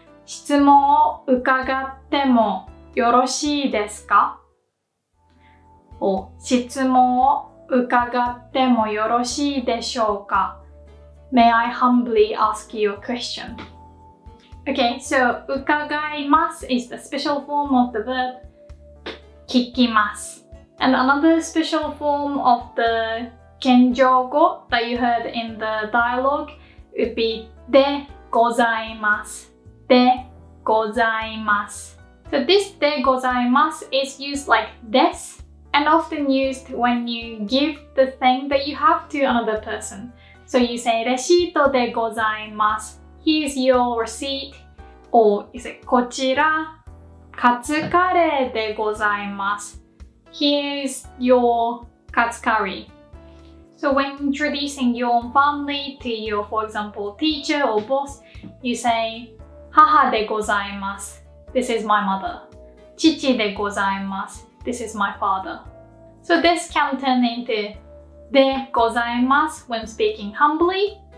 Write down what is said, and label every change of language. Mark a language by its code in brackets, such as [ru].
[ja] 質問を伺ってもよろしいですか? お、質問を伺ってもよろしいでしょうか? [en] May I humbly ask you a question? Okay, so 伺います is the special form of the verb [ja] 聞きます。 [en] And another special form of the 謙譲語 that you heard in the dialogue would be [ja] でございます。でございます。 [en] So this でございます is used like this. And often used when you give the thing that you have to another person. So you say, [ja] レシートでございます。 [en] Here's your receipt. Or you say, [ja] こちらカツカレーでございます。 [en] Here's your カツカリー。 So when introducing your own family to your, for example, teacher or boss, you say, [ja] 母でございます。 [en] This is my mother. [ja] 父でございます。 [en] This is my father. So this can turn into でございます when speaking humbly.